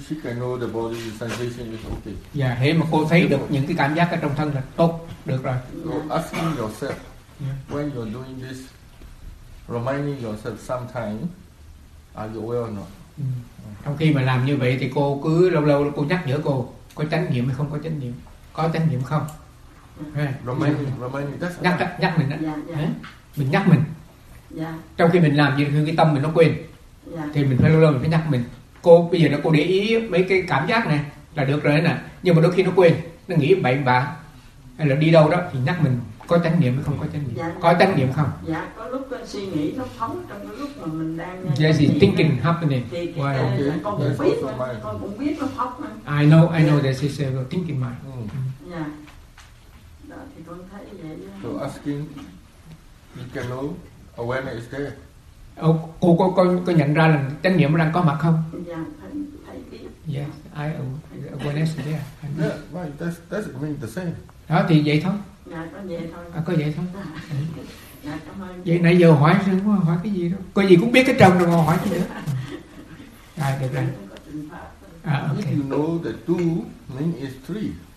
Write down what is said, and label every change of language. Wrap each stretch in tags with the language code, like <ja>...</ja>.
<en>She can know the body sensation is okay.</en> <vi>Yeah, thế mà cô thấy được những cái cảm giác ở trong thân là tốt, được rồi.</vi> <en>So asking yourself, when you're doing this, reminding yourself sometimes, are you well or not?</en> <vi>Trong khi mà làm như vậy thì cô cứ lâu lâu cô nhắc nhở cô, có chánh niệm hay không có chánh niệm, có chánh niệm không?</vi> <en>Reminding,</en> <vi>nhắc mình đó. Mình nhắc mình.</vi> <en>Yeah.</en> <vi>Trong khi mình làm như cái tâm mình nó quên.</vi> <en>Yeah.</en> <vi>Thì mình phải lâu lâu mình phải nhắc mình. Cô bây giờ nó cô để ý mấy cái cảm giác này là được rồi nè, nhưng mà đôi khi nó quên, nó nghĩ bậy bạ hay là đi đâu đó thì nhắc mình có chánh niệm hay không có chánh niệm.</vi> <en>Yeah.</en> <vi>Có chánh niệm không? Dạ, yeah, có lúc con suy nghĩ nó phóng trong cái lúc mà mình đang nghe.</vi> <en>Yes, it's thinking đó. Happening.</en> <vi>Thì, wow. Okay. Con cũng biết nó phóng.</vi> <en>I know that it's a thinking mind.</en> <vi>Dạ. Đó thì con thấy vậy.</vi> <en>So asking you can know awareness is there.</en> <vi>Cô có nhận ra là chánh niệm đang có mặt không? Dạ, thấy biết.</vi> <en>Yes, I awareness there. Yeah, why that's mean the same.</en> <vi>Đó thì vậy thôi. Dạ, có vậy thôi. À, có vậy thôi. Dạ, vậy nãy giờ hỏi sao không hỏi cái gì đâu. Có gì cũng biết cái trần rồi mà hỏi gì nữa. À, được rồi. À, okay.</vi> <en>If you know the two mean is three.</en>